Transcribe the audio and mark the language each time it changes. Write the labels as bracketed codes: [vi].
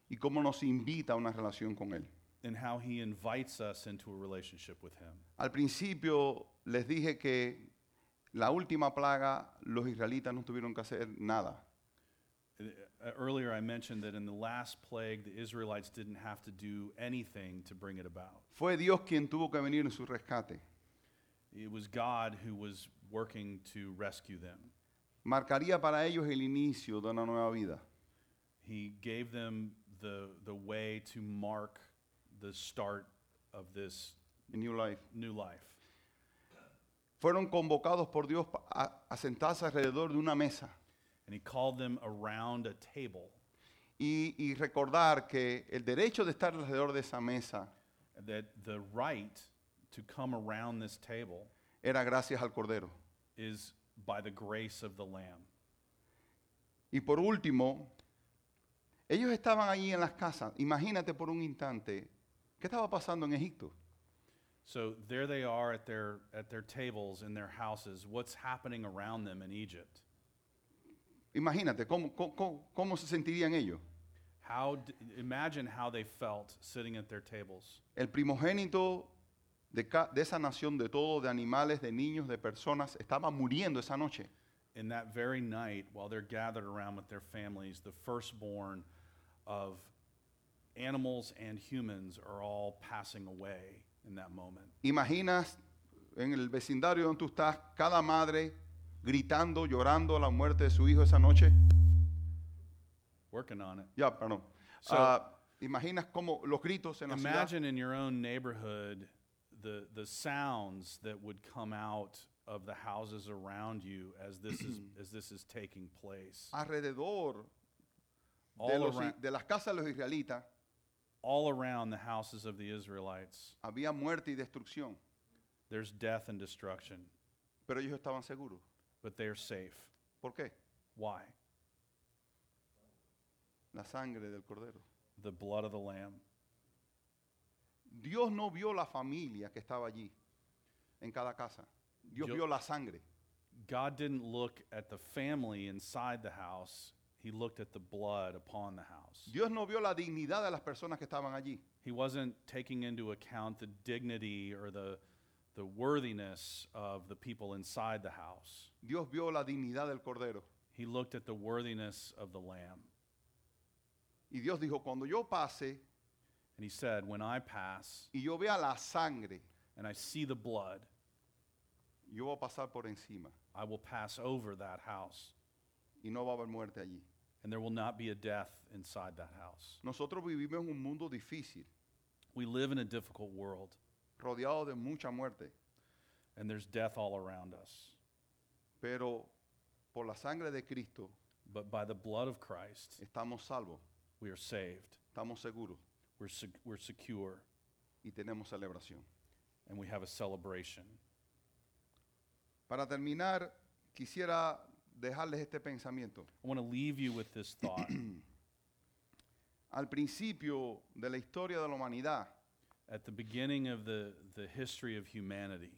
[es] Y cómo nos invita a una relación con él. [en] And how he invites us into a relationship with him. [es] Al principio les dije que la última plaga los israelitas no tuvieron que hacer nada. [en] Earlier I mentioned that in the last plague the Israelites didn't have to do anything to bring it about. [es] Fue Dios quien tuvo que venir en su rescate. [en] It was God who was working to rescue them. [es] Marcaría para ellos el inicio de una nueva vida. [en] He gave them the way to mark the start of this new life. [es] Fueron convocados por Dios a sentarse alrededor de una mesa. [en] And he called them around a table. [es] Y recordar que el derecho de estar alrededor de esa mesa. [en] That the right to come around this table. [es] Era gracias al Cordero. [en] Is by the grace of the Lamb. [es] Y por último, ellos estaban allí en las casas. Imagínate por un instante, ¿qué estaba pasando en Egipto? [en] So there they are at their tables in their houses. What's happening around them in Egypt? [es] Imagínate, ¿cómo se sentirían ellos? [en] Imagine how they felt sitting at their tables. [es] El primogénito de esa nación, de todo, de animales, de niños, de personas, estaba muriendo esa noche. [en] In that very night, while they're gathered around with their families, the firstborn of animals and humans are all passing away in that moment. [es] Imaginas en el vecindario donde tú estás, cada madre gritando, llorando la muerte de su hijo esa noche. [en] Working on it. [es] Yeah, perdón. So, imaginas como los gritos en la ciudad. [en] Imagine in your own neighborhood the sounds that would come out of the houses around you as this is taking place. [es] Alrededor de las casas de los israelitas. [en] All around the houses of the Israelites. [es] Había muerte y destrucción. [en] There's death and destruction. [es] Pero ellos estaban seguros. [en] But they're safe. [es] ¿Por qué? [en] Why? [es] La sangre del Cordero. [en] The blood of the Lamb. [es] Dios no vio la familia que estaba allí, en cada casa. Dios vio la sangre. [en] God didn't look at the family inside the house. He looked at the blood upon the house. [es] Dios no vio la dignidad de las personas que estaban allí. [en] He wasn't taking into account the dignity or the worthiness of the people inside the house. [es] Dios vio la dignidad del Cordero. [en] He looked at the worthiness of the Lamb. [es] Y Dios dijo, cuando yo pase. [en] And he said, when I pass, [es] y yo vea la sangre, [en] and I see the blood, [es] yo voy a pasar por encima. [en] I will pass over that house. [es] Y no va a haber muerte allí. [en] And there will not be a death inside that house. [es] Nosotros vivimos en un mundo difícil. [en] We live in a difficult world. [es] Rodeado de mucha muerte. [en] And there's death all around us. [es] Pero por la sangre de Cristo, [en] but by the blood of Christ, [es] estamos salvos. [en] We are saved. [es] Estamos seguros. [en] We're secure. [es] Y tenemos celebración. [en] And we have a celebration. [es] Para terminar, quisiera dejarles este pensamiento. [en] I want to leave you with this thought. [es] Al principio de la historia de la humanidad. [en] At the beginning of the history of humanity.